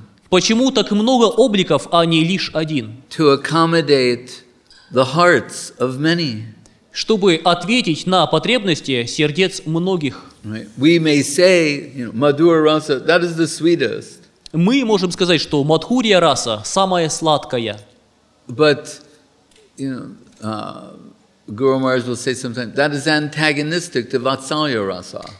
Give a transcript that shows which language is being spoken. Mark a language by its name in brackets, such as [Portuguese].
[Russian] Почему так много обликов, а не лишь один? [English] To accommodate the hearts of many. [Russian] Чтобы ответить на потребности сердец многих. [English] We may say, Madhura rasa, that is the sweetest. [Russian] Мы можем сказать, что Мадхурья раса самая сладкая. [English] But, Guru Maharaj will say sometimes that is antagonistic to Vatsalya rasa.